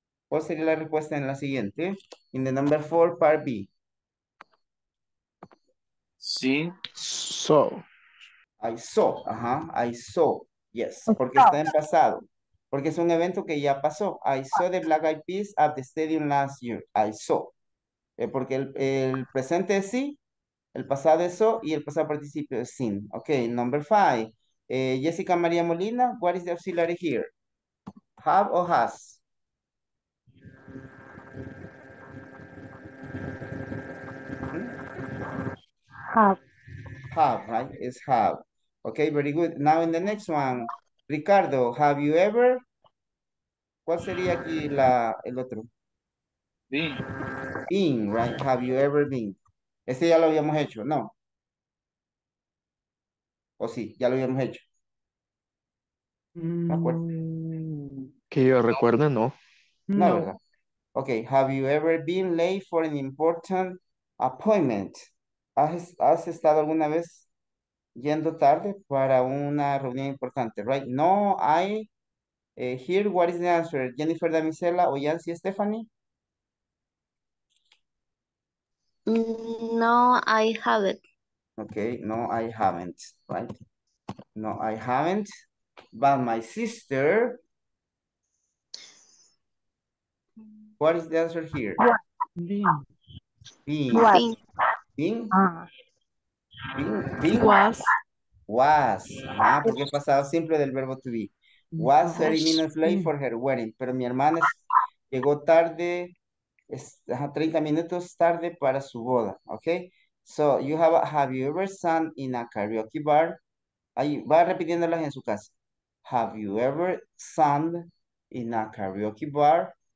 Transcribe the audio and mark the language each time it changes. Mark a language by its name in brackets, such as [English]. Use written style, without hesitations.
[Spanish] ¿Cuál sería la respuesta en la siguiente? [English] In the number four, part B. [Spanish] Sí. [English] Saw. I saw. I saw. Yes. [Spanish] Porque está en pasado. Porque es un evento que ya pasó. [English] I saw the Black Eyed Peas at the stadium last year. I saw. [Spanish] Porque el presente es sí, el pasado es so y el pasado participio es sin. [English] Okay, number five. Jessica María Molina, what is the auxiliary here? Have or has? Have, right? It's have. Okay, very good. Now in the next one, Ricardo, have you ever? [Spanish] ¿Cuál sería aquí el otro? [English] Been, right? Have you ever been? [Spanish] Este ya lo habíamos hecho, ¿no? ¿O sí? Ya lo habíamos hecho. ¿Me acuerdo? Que yo recuerde, no. No, ¿verdad? [English] Okay, have you ever been late for an important appointment? [Spanish] ¿Has estado alguna vez yendo tarde para una reunión importante? [English] Right? No, I. Here, what is the answer? [Spanish] Jennifer Damisela o Yancy Stephanie? [English] No, I haven't. Okay, no, I haven't. Right? No, I haven't. But my sister. What is the answer here? Been. Been. Been. Been. Was. Was. [Spanish] Ah, porque es pasado simple del verbo [English] to be. Was 30 minutes late for her wedding. [Spanish] Pero mi hermana llegó tarde, 30 minutos tarde para su boda. [English] Okay. So you have you ever sung in a karaoke bar? [Spanish] Ahí va repitiéndolas en su casa. [English] Have you ever sung in a karaoke bar?